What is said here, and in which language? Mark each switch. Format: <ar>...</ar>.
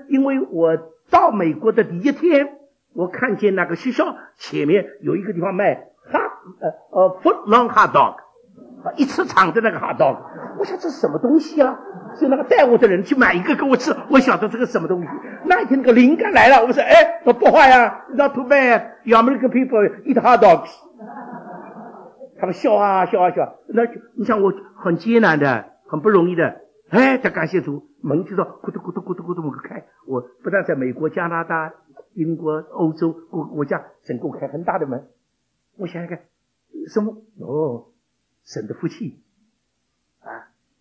<zh>因为我到美国的第一天，我看见那个学校前面有一个地方卖foot long hot dog， 一尺长的那个 hot dog。我想这是什么东西啊？所以那个带我的人去买一个给我吃，我晓得这个什么东西。那一天那个灵感来了，我说，哎，我不坏啊 ，</zh> <en>not too bad. American people eat hot dogs。</en> <zh>他们笑啊笑啊笑，那你想我很艰难的，很不容易的，哎，他感谢主，门就说咕嘟咕嘟咕嘟咕嘟我开，我不但在美国、加拿大、英国、欧洲国家，整个开很大的门。我想想看，什么？哦，神的福气啊！</zh>